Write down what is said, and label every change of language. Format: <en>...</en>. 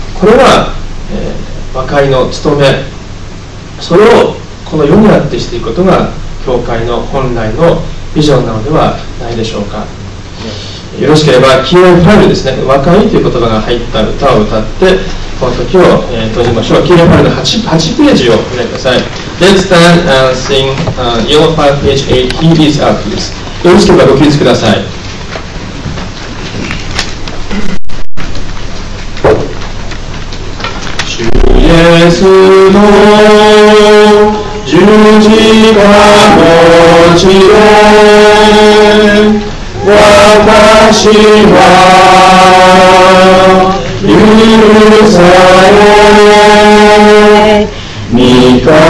<ja>これは、和解の務め、それをこの世にあってしていくことが教会の本来のビジョンなのではないでしょうか。よろしければ黄色いファイルですね、和解という言葉が入った歌を歌ってこの時を、閉じましょう。黄色いファイルの 8ページをご覧ください。</ja> <en>Let's stand and sing yellow file page 8 He is our peace。</en> <ja>よろしければご起立ください。主イエスの十字架の地で私は許され御神と</ja>